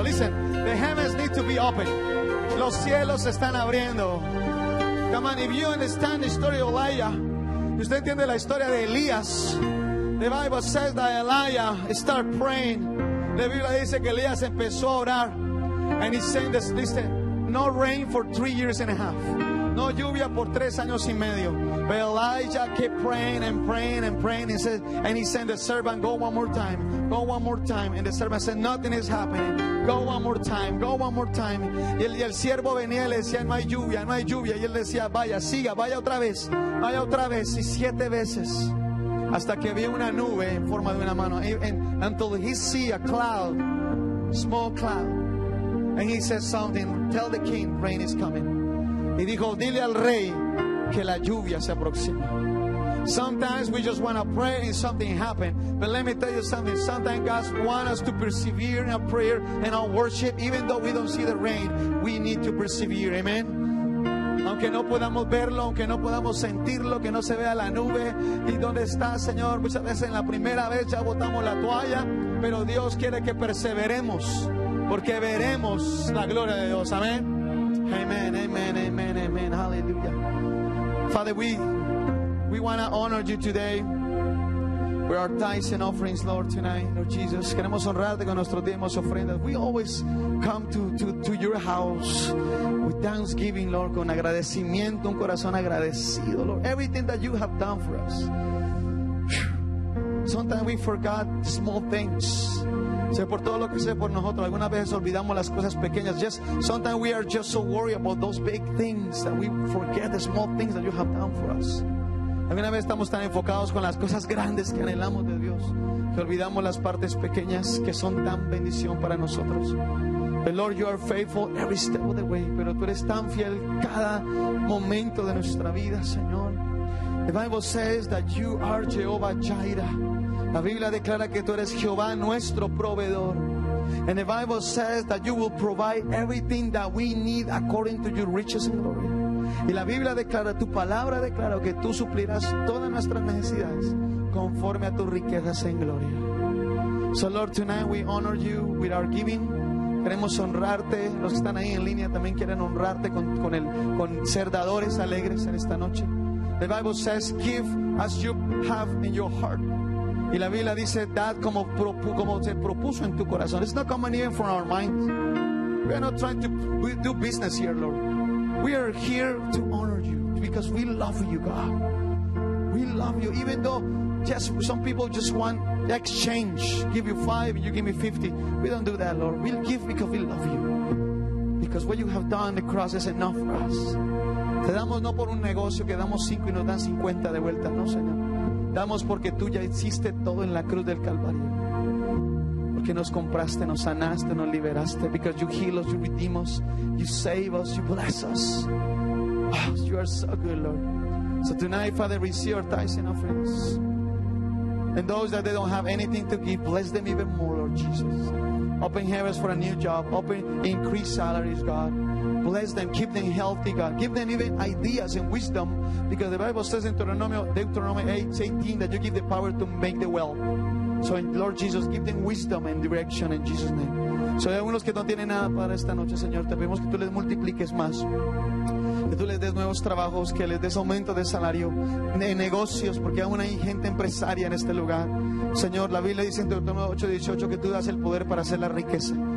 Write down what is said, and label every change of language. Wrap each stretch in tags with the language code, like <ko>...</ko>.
<en>Listen, the heavens need to be open.</en> <es>Los cielos están abriendo.</es> <en>Come on, if you understand the story of Elijah,</en> <es>usted entiende la historia de Elías.</es> <en>The Bible says that Elijah started praying.</en> <es>La Biblia dice que Elías empezó a orar.</es> <en>And he said this, listen, no rain for 3.5 years.</en> <es>No lluvia por 3 años y medio.</es> <en>But Elijah kept praying and praying and praying. He said, and he sent the servant, go one more time. Go one more time. And the servant said, nothing is happening. Go one more time. Go one more time.</en> <es>Y el siervo venía y le decía, no hay lluvia, no hay lluvia. Y él decía, vaya, siga, vaya otra vez. Vaya otra vez. Y 7 veces. Hasta que vio una nube en forma de una mano.</es> <en>Until he see a cloud, small cloud. And he said something, tell the king, rain is coming.</en> <es>Y dijo, dile al rey que la lluvia se aproxima.</es> <en>Sometimes we just want to pray and something happen. But let me tell you something. Sometimes God wants us to persevere in our prayer and our worship. Even though we don't see the rain, we need to persevere.</en> <es>Amen. Aunque no podamos verlo, aunque no podamos sentirlo, que no se vea la nube. ¿Y dónde está, Señor? Muchas veces en la primera vez ya botamos la toalla. Pero Dios quiere que perseveremos. Porque veremos la gloria de Dios. Amén.</es> <en>Amen, amen, amen, amen. Hallelujah. Father, we want to honor you today. We are tithes and offerings, Lord, tonight.</en> <es>Lord Jesus, queremos honrarte con nuestros diezmos y ofrendas.</es> <en>We always come to your house with thanksgiving, Lord,</en> <es>con agradecimiento, un corazón agradecido,</es> <en>Lord. Everything that you have done for us. Sometimes we forgot small things.</en> <es>Sé por todo lo que sé por nosotros. Algunas veces olvidamos las cosas pequeñas.</es> <en>Just sometimes we are just so worried about those big things that we forget the small things that you have done for us.</en> <es>Algunas veces estamos tan enfocados con las cosas grandes que anhelamos de Dios que olvidamos las partes pequeñas que son tan bendición para nosotros.</es> <en>But Lord, you are faithful every step of the way.</en> <es>Pero tú eres tan fiel cada momento de nuestra vida, Señor.</es> <en>The Bible says that you are Jehovah Jireh.</en> <es>La Biblia declara que tú eres Jehová nuestro proveedor.</es> <en>And the Bible says that you will provide everything that we need according to your riches and glory.</en> <es>Y la Biblia declara, tu palabra declara que tú suplirás todas nuestras necesidades conforme a tus riquezas en gloria.</es> <en>So Lord, tonight we honor you with our giving.</en> <es>Queremos honrarte. Los que están ahí en línea también quieren honrarte con ser dadores alegres en esta noche.</es> <en>The Bible says, give as you have in your heart.</en> <es>Y la Biblia dice, dad como se propuso en tu corazón.</es> <en>It's not coming even from our minds. We are not trying to do business here, Lord. We are here to honor you because we love you, God. We love you. Even though just some people just want exchange, give you 5, you give me 50. We don't do that, Lord. We'll give because we love you. Because what you have done on the cross is enough for us.</en> <es>Te damos no por un negocio, que damos 5 y nos dan 50 de vuelta, no, Señor. Damos porque tú ya hiciste todo en la cruz del Calvario. Porque nos compraste, nos sanaste, nos liberaste.</es> <en>Because you heal us, you redeem us, you save us, you bless us. Oh, you are so good, Lord. So tonight, Father, receive our tithes and offerings. And those that they don't have anything to give, bless them even more, Lord Jesus. Open heavens for a new job. Open increased salaries, God. Bless them. Keep them healthy, God. Give them even ideas and wisdom, because the Bible says in Deuteronomy 8:18 that you give the power to make the wealth. So, Lord Jesus, give them wisdom and direction in Jesus' name.</en> <es>So, hay algunos que no tienen nada para esta noche, Señor. Te pedimos que tú les multipliques más. Que tú les des nuevos trabajos, que les des aumento de salario, de negocios, porque aún hay gente empresaria en este lugar. Señor, la Biblia dice en Deuteronomio 8:18 que tú das el poder para hacer la riqueza.</es>